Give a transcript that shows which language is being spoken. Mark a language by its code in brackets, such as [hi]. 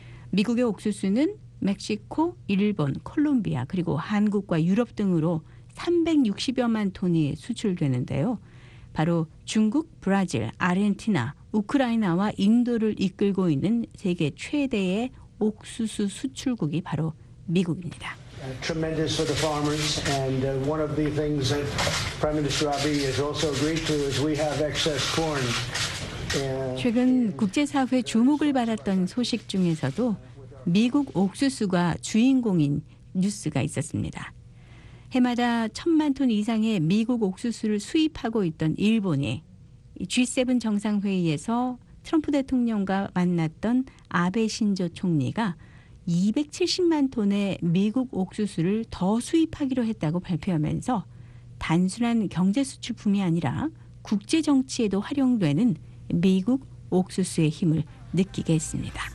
[ko] 미국의 옥수수는 멕시코, 일본, 콜롬비아, 그리고 한국과 유럽 등으로 360여만 톤이 수출되는데요. 바로 중국, 브라질, 아르헨티나, 우크라이나와 인도를 이끌고 있는 세계 최대의 옥수수 수출국이 바로 미국입니다. [en] Tremendous for the farmers, and one of the things that Prime Minister Abe has also agreed to is we have excess corn. [ko] 최근 국제사회 주목을 받았던 소식 중에서도 미국 옥수수가 주인공인 뉴스가 있었습니다. 해마다 1,000만 톤 이상의 미국 옥수수를 수입하고 있던 일본이 G7 정상회의에서 트럼프 대통령과 만났던 아베 신조 총리가 270만 톤의 미국 옥수수를 더 수입하기로 했다고 발표하면서 단순한 경제 수출품이 아니라 국제 정치에도 활용되는 미국 옥수수의 힘을 느끼게 했습니다.